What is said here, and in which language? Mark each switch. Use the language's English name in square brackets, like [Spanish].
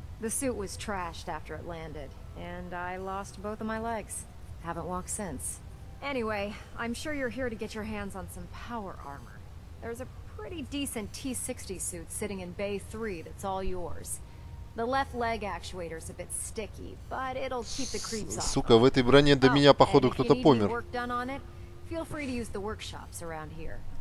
[English] The suit was trashed after it landed, and I lost both of my legs. Haven't walked since. Anyway, I'm sure you're here to get your hands on some power armor. There's a pretty decent T-60 suit sitting in Bay 3 that's all yours. The left leg actuator's a bit sticky, but it'll keep the creeps off. [Russian] Сука, в этой броне до меня, походу, кто-то помер. [English] If you need work done on it, feel free to use the workshops around here.